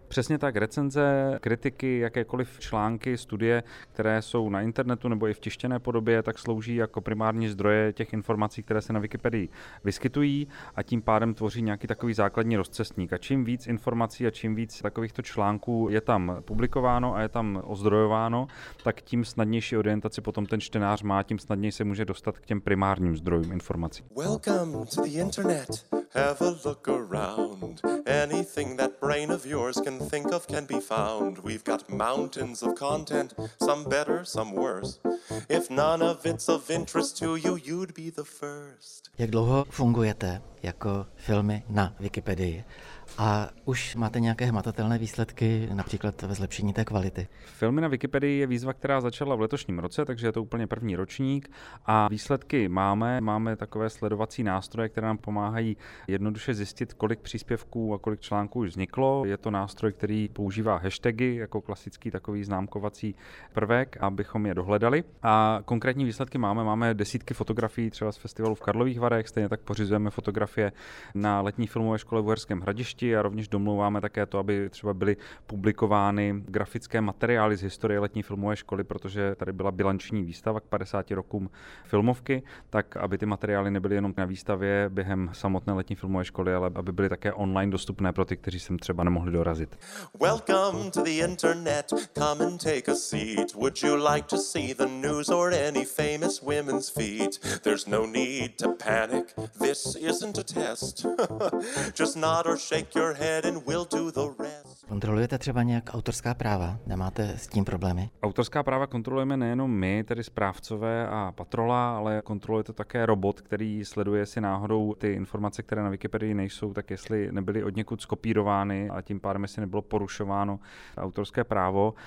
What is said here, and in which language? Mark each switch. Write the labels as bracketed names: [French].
[Czech] Přesně tak, recenze, kritiky, jakékoliv články, studie, které jsou na internetu nebo i v tištěné podobě, tak slouží jako primární zdroje těch informací, které se na Wikipedii vyskytují a tím pádem tvoří nějaký takový základní rozcestník. A čím víc informací a čím víc takovýchto článků je tam publikováno a je tam ozdrojováno, tak tím snadnější orientaci potom ten čtenář má, tím snadněji se může dostat k těm primárním zdrojům informací. [English] Welcome to the internet. Have a look around. Anything that brain of yours can think of can be found. We've got mountains of content, some better, some worse. If none of it's of interest to you, you'd be the first. [Czech] Jak dlouho fungujete jako Filmy na Wikipedii? A už máte nějaké hmatatelné výsledky, například ve zlepšení té kvality? Filmy na Wikipedii je výzva, která začala v letošním roce, takže je to úplně první ročník. A výsledky máme. Máme takové sledovací nástroje, které nám pomáhají jednoduše zjistit, kolik příspěvků a kolik článků už vzniklo. Je to nástroj, který používá hashtagy jako klasický takový známkovací prvek, abychom je dohledali. A konkrétní výsledky máme. Máme desítky fotografií třeba z festivalu v Karlových Varech. Stejně tak pořizujeme fotografie na letní filmové škole v Uherském Hradišti. A rovněž domlouváme také to, aby třeba byly publikovány grafické materiály z historie letní filmové školy, protože tady byla bilanční výstava k 50 rokům filmovky, tak aby ty materiály nebyly jenom na výstavě během samotné letní filmové školy, ale aby byly také online dostupné pro ty, kteří sem třeba nemohli dorazit. [English] Welcome to the internet, come and take a seat. Would you like to see the news or any famous women's feet? There's no need to panic, this isn't a test. Just not or shake your head and we'll do the rest. [Czech] Kontrolujete třeba nějak autorská práva? Nemáte s tím problémy? Autorská práva kontrolujeme nejenom my, tedy správcové a patrola, ale kontroluje to také robot, který sleduje si náhodou ty informace, které na Wikipedii nejsou, tak jestli nebyly od někud skopírovány a tím pádem jestli nebylo porušováno autorské právo.